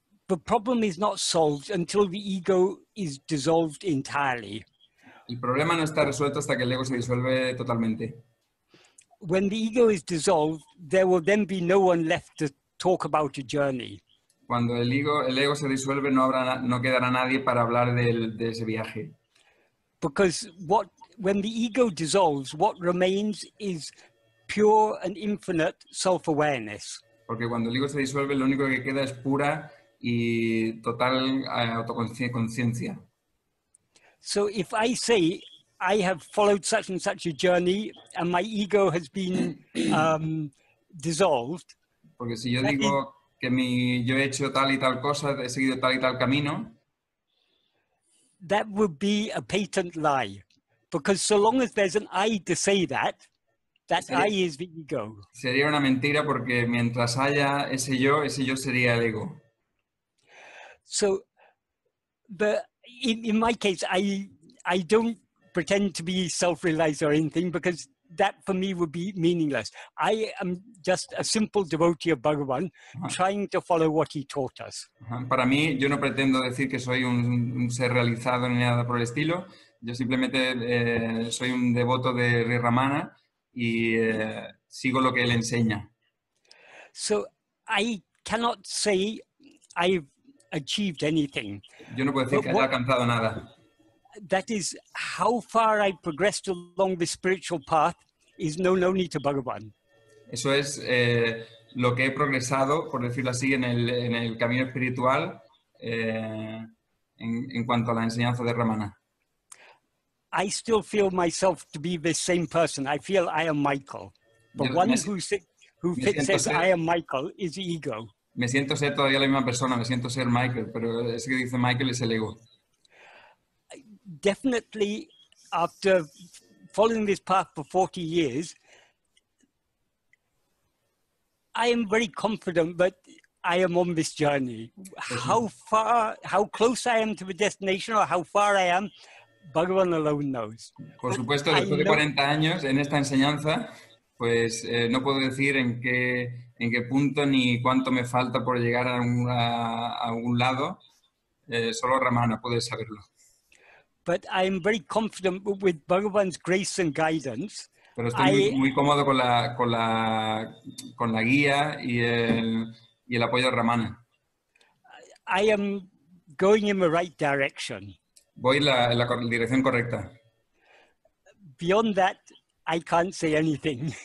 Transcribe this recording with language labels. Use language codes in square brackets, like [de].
[en] The problem is not solved until the ego is dissolved entirely. [es] El problema no está resuelto hasta que el ego se disuelve totalmente. [en] When the ego is dissolved, there will then be no one left to talk about a journey. [es] Cuando el ego se disuelve, no quedará nadie para hablar de ese viaje. [en] Because when the ego dissolves, what remains is pure and infinite self-awareness. [es] Porque cuando el ego se disuelve, lo único que queda es pura y total autoconciencia. [en] So if I say I have followed such and such a journey and my ego has been dissolved. [es] Porque si yo digo que yo he hecho tal y tal cosa, he seguido tal y tal camino. [en] That would be a patent lie. Because so long as there's an I to say that, that I is the ego. [es] Sería una mentira porque mientras haya ese yo sería el ego. [en] So, but in my case, I don't pretend to be self-realized or anything because that for me would be meaningless. I am just a simple devotee of Bhagavan, trying to follow what he taught us. [es] Para mí, yo no pretendo decir que soy un ser realizado ni nada por el estilo. Yo simplemente soy un devoto de Sri Ramana y sigo lo que él enseña. [en] So, I cannot say I've achieved anything. [es] Yo no puedo decir que haya alcanzado nada. [en] That is how far I progressed along the spiritual path is known only to Bhagavan. [es] Eso es lo que he progresado, por decirlo así, en el camino espiritual en cuanto a la enseñanza de Ramana. [en] I still feel myself to be the same person. I feel I am Michael. But one who says I am Michael is the ego. [es] Me siento ser todavía la misma persona, me siento ser Michael, pero ese que dice Michael es el ego. [en] Definitely, after following this path for 40 years, I am very confident that I am on this journey. How far, how close I am to the destination or how far I am, Bhagavan alone knows. [es] Por supuesto, después de 40 años en esta enseñanza, pues no puedo decir en qué punto ni cuánto me falta por llegar a algún lado. Solo Ramana puede saberlo. [en] But I am very confident with Bhagavan's grace and guidance. [es] Pero estoy muy cómodo con la guía y el apoyo de Ramana. [en] I am going in the right direction. [es] Voy en la dirección correcta. [en] Beyond that, I can't say anything.